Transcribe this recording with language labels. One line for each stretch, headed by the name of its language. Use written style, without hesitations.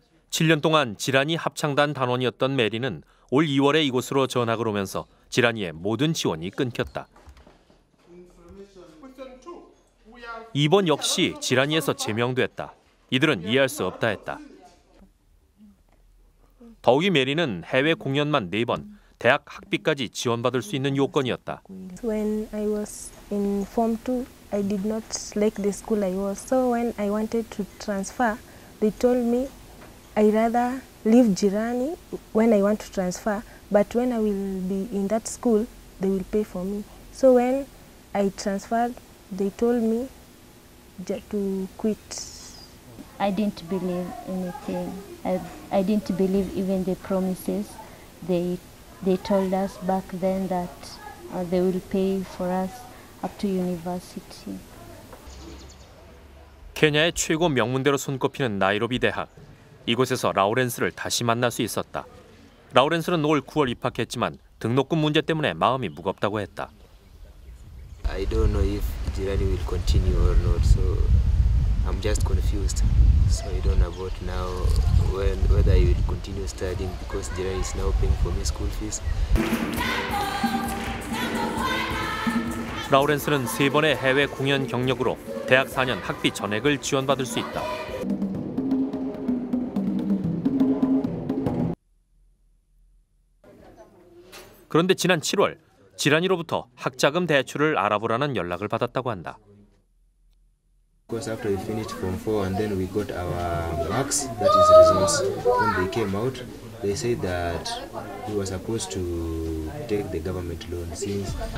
Korean: 7년 동안 지라니 합창단 단원이었던 메리는 올 2월에 이곳으로 전학을 오면서 지라니의 모든 지원이 끊겼다. 이번 역시 지라니에서 제명됐다. 이들은 이해할 수 없다 했다. 더욱이 메리는 해외 공연만 4번, 대학 학비까지 지원받을 수 있는 요건이었다.
English: When I was in form 2, I did not like the school I was. So when I wanted to transfer, they told me I rather leave Jirani when I want to transfer, but when I will be in that school, they will pay for me. So when I transferred, they told me to quit. I didn't believe anything. I didn't believe even the promises. They told us back then that they will pay for us up to university.
Korean: 케냐의 최고 명문대로 손꼽히는 나이로비 대학. 이곳에서 라우렌스를 다시 만날 수 있었다. 라우렌스는 올 9월 입학했지만 등록금 문제 때문에 마음이 무겁다고 했다.
English: I don't know if Jirani will continue or not, so I'm just confused. So I don't know about now whether I will continue studying because Jirani is now paying for my school fees.
Korean: 라우렌스는 세 번의 해외 공연 경력으로 대학 4년 학비 전액을 지원받을 수 있다. 그런데 지난 7월 지란이로부터 학자금 대출을 알아보라는 연락을 받았다고 한다.
English: Because after we finished form 4 and then we got our marks, that is results. When they came out, they said that we were supposed to take the government loan since.